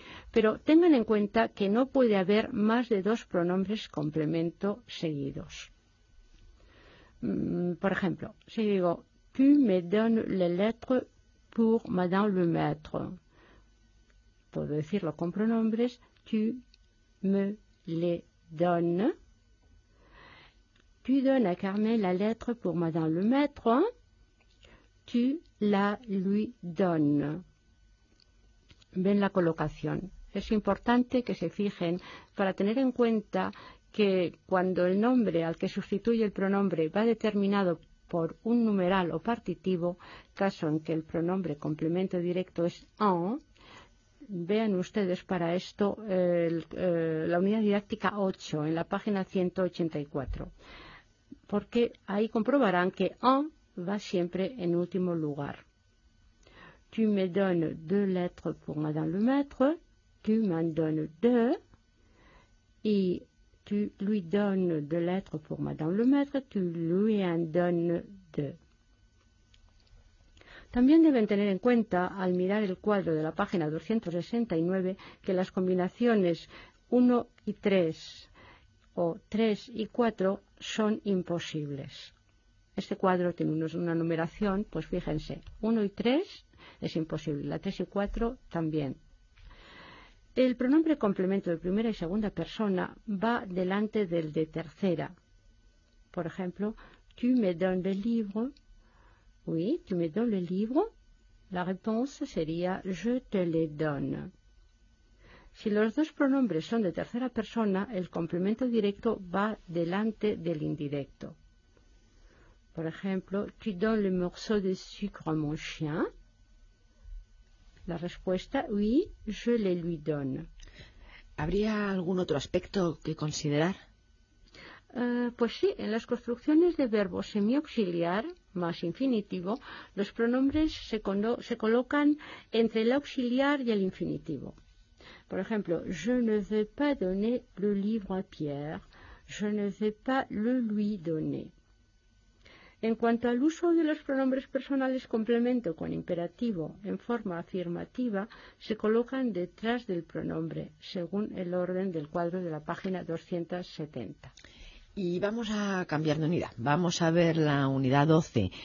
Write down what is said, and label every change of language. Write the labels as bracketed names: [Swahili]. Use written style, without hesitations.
[Spanish] Pero tengan en cuenta que no puede haber más de dos pronombres complemento seguidos. Por ejemplo, si digo, [French] tu me donnes les lettres pour Madame Lemaître. [Spanish] Puedo decirlo con pronombres, [French] tu me les donnes. Tu donnes à Carmen la lettre pour Madame Lemaître, tu la lui donnes. [Spanish] Ven la colocación. Es importante que se fijen para tener en cuenta que cuando el nombre al que sustituye el pronombre va determinado por un numeral o partitivo, caso en que el pronombre complemento directo es un, vean ustedes para esto la unidad didáctica 8 en la página 184. Porque ahí comprobarán que un va siempre en último lugar. [French] Tu me donnes deux lettres pour Madame Lemaître, tu m'en donnes deux, y tu lui donnes deux lettres pour Madame Lemaître, tu lui en donnes deux. [Spanish] También deben tener en cuenta, al mirar el cuadro de la página 269, que las combinaciones 1 y 3 o 3 y 4 son imposibles. Este cuadro tiene una numeración, pues fíjense, 1 y 3 es imposible, la 3 y 4 también. El pronombre complemento de primera y segunda persona va delante del de tercera. Por ejemplo, [French] tu me donnes le livre. Oui, tu me donnes le livre. [Spanish] La réponse sería [French] je te le donne. [Spanish] Si los dos pronombres son de tercera persona, el complemento directo va delante del indirecto. Por ejemplo, [French] tu donnes le morceau de sucre à mon chien. [Spanish] La respuesta, [French] oui, je le lui donne. [Spanish] ¿Habría algún otro aspecto que considerar? Pues sí, en las construcciones de verbo semiauxiliar más infinitivo, los pronombres se colocan entre el auxiliar y el infinitivo. Por ejemplo, [French] je ne vais pas donner le livre à Pierre, je ne vais pas le lui donner. [Spanish] En cuanto al uso de los pronombres personales complemento con imperativo en forma afirmativa, se colocan detrás del pronombre, según el orden del cuadro de la página 270. Y vamos a cambiar de unidad. Vamos a ver la unidad 12.